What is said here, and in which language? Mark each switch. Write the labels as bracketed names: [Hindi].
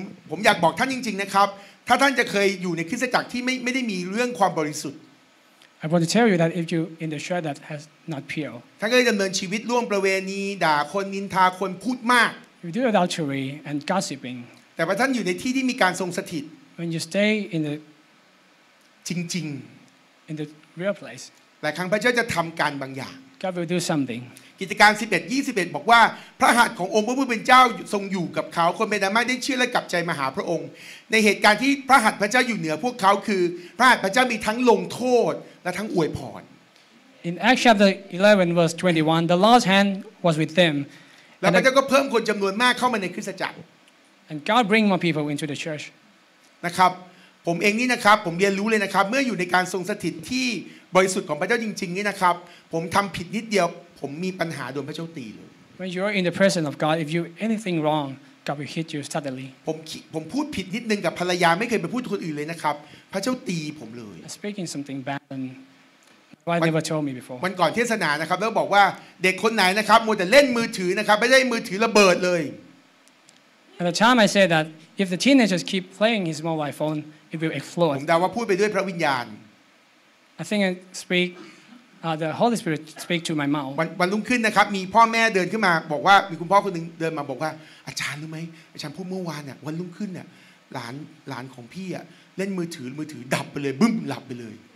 [Thai] ผมอยากบอกท่านจริงๆนะครับถ้าท่านจะเคยอยู่ในคริสตจักรที่ไม่ได้มีเรื่องความบริสุทธิ์ [English] I want to tell you that if you in the church that has not pure [Thai] ท่านก็จะดำเนินชีวิตร่วมประเวณีด่าคนนินทาคนพูดมาก [English] You do adultery and gossiping. [Thai] แต่ว่าท่านอยู่ในที่ที่มีการทรงสถิต [English] When you stay in the [Thai] จริง [English] ๆ in the real place. [Thai] หลายครั้งพระเจ้าจะทำการบางอย่าง [English] God will do something. [Thai] กิจการ 11:21 บอกว่าพระหัตถ์ขององค์พระผู้เป็นเจ้าทรงอยู่กับเขาคนเบนามาได้เชื่อและกลับใจมาหาพระองค์ในเหตุการณ์ที่พระหัตถ์พระเจ้าอยู่เหนือพวกเขาคือพระหัตถ์พระเจ้ามีทั้งลงโทษและทั้งอวยพร [English] In Acts chapter 11 verse 21 the Lord's hand was with them. [Thai] แล้วพระเจ้าก็เพิ่มคนจำนวนมากเข้ามาในคริสตจักร [English] And God bring more people into the church [Thai] นะครับผมเองนี่นะครับผมเรียนรู้เลยนะครับเมื่ออยู่ในการทรงสถิตที่บริสุทธิ์ของพระเจ้าจริงๆนี่นะครับผมทำผิดนิดเดียวผมมีปัญหาโดนพระเจ้าตีเลย [English] When you are in the presence of God if you anything wrong God will hit you suddenly [Thai] ผมพูดผิดนิดนึงกับภรรยาไม่เคยไปพูดคนอื่นเลยนะครับพระเจ้าตีผมเลย [English] Speaking something bad andWhy never told me before? [Thai] วันก่อนเทศนานะครับแล้วบอกว่าเด็กคนไหนนะครับมัวแต่เล่นมือถือนะครับไม่ได้มือถือระเบิดเลย [English] At the time I said that if the teenagers keep playing his mobile phone, it will explode. [Thai] ผมเดาว่าพูดไปด้วยพระวิญญาณ [English] I think I speak the Holy Spirit speak to my mouth. [Thai] วันรุ่งขึ้นนะครับมีพ่อแม่เดินขึ้นมาบอกว่ามีคุณพ่อคนนึงเดินมาบอกว่าอาจารย์รู้ไหมอาจารย์พูดเมื่อวานเนี่ยวันรุ่งขึ้นเนี่ยหลานของพี่อ่ะเล่นมือถือดับไปเลยบึ้มหลับไปเลย